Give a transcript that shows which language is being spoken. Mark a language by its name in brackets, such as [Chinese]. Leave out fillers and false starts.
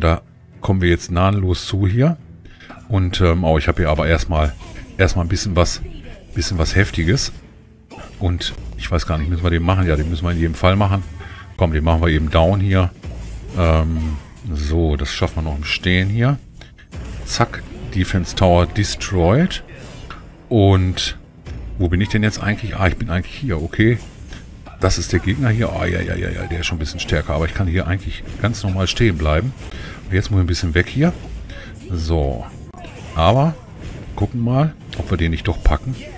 [German] Da kommen wir jetzt nahenlos zu hier. Und oh, ich habe hier aber erstmal ein bisschen was Heftiges. Und ich weiß gar nicht, müssen wir den machen? Ja, den müssen wir in jedem Fall machen. Komm, den machen wir eben down hier. So, das schaffen wir noch im Stehen hier. [English] Zack, Defense Tower destroyed. [German] Und wo bin ich denn jetzt eigentlich? Ah, ich bin eigentlich hier, okay. Das ist der Gegner hier. Ah, ja, der ist schon ein bisschen stärker. Aber ich kann hier eigentlich ganz normal stehen bleiben. Jetzt muss ich ein bisschen weg hier. So, aber gucken mal, ob wir den nicht doch packen.